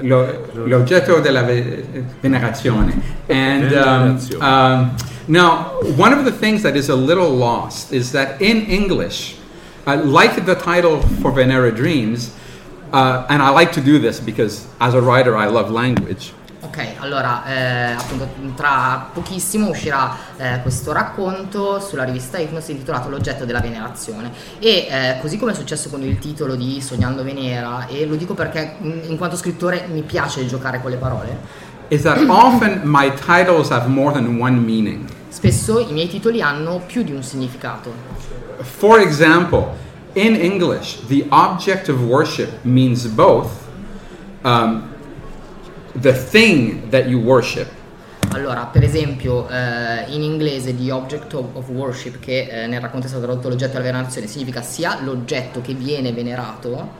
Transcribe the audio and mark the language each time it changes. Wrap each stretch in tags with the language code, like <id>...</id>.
<it>L'oggetto della venerazione.</it> <en>And now, one of the things that is a little lost is that in English, like the title for Venera Dreams, and I like to do this because as a writer I love language.</en> <it>Ok, allora, appunto, tra pochissimo uscirà questo racconto sulla rivista Hypnos intitolato L'oggetto della venerazione. E così come è successo con il titolo di Sognando Venera, e lo dico perché in quanto scrittore mi piace giocare con le parole,</it> <en>is that often my titles have more than one meaning.</en> <it>Spesso i miei titoli hanno più di un significato.</it> <en>For example, in English, the object of worship means both the thing that you worship.</en> <it>Allora, per esempio, in inglese</it> <en>the object of worship,</en> <it>che nel racconto è stato tradotto l'oggetto della venerazione, significa sia l'oggetto che viene venerato.</it>